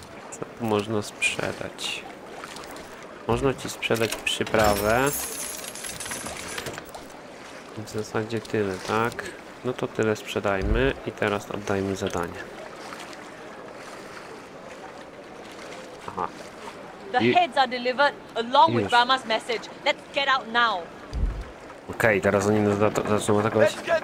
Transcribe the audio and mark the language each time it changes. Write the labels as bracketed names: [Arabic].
[Polish] Co tu można sprzedać? Można ci sprzedać przyprawę. W zasadzie tyle, tak? No to tyle sprzedajmy i teraz oddajmy zadanie. Aha. [English] The heads are delivered along with Rama's message. Let's get out now. [Polish] Okej, teraz oni nas zaczną atakować.